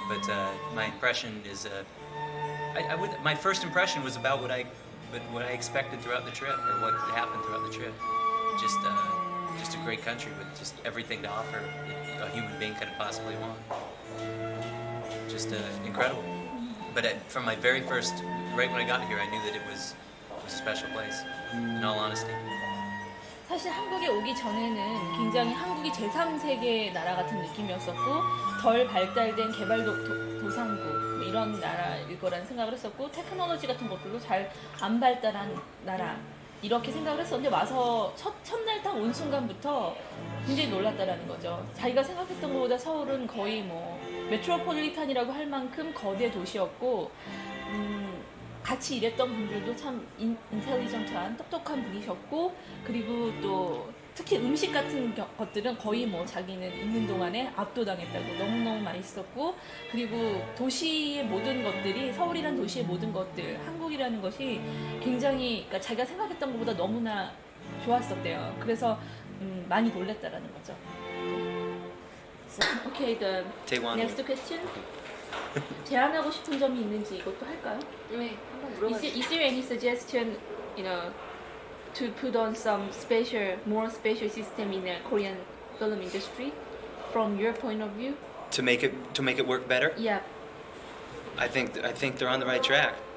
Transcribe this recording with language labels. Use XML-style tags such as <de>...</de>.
<en>But my impression is, my first impression was about what I expected throughout the trip, or what happened throughout the trip. Just a great country with just everything to offer a human being could possibly want. Just incredible. But from my very first, right when I got here, I knew that it was a special place, in all honesty.</en> <ko>사실 한국에 오기 전에는 굉장히 한국이 제3세계 나라 같은 느낌이었었고 덜 발달된 개발도상국 뭐 이런 나라일 거라는 생각을 했었고 테크놀로지 같은 것들도 잘 안 발달한 나라 이렇게 생각을 했었는데 와서 첫날 딱 온 순간부터 굉장히 놀랐다라는 거죠. 자기가 생각했던 것보다 서울은 거의 뭐 메트로폴리탄이라고 할 만큼 거대 도시였고 같이 일했던 분들도 참 인텔리전트한 똑똑한 분이셨고 그리고 또 특히 음식 같은 것들은 거의 뭐 자기는 있는 동안에 압도당했다고 너무너무 맛있었고 그리고 도시의 모든 것들이 서울이라는 도시의 모든 것들 한국이라는 것이 굉장히 그러니까 자기가 생각했던 것보다 너무나 좋았었대요. 그래서 많이 놀랐다라는 거죠.</ko> <en>So, okay, the next question.</en> <ko>제안하고 싶은 점이 있는지 이것도 할까요? 네.</ko> <en>Is there any suggestion, you know, to put on some special, more special system in the Korean film industry, from your point of view? To make it work better? Yeah. I think they're on the right track.</en>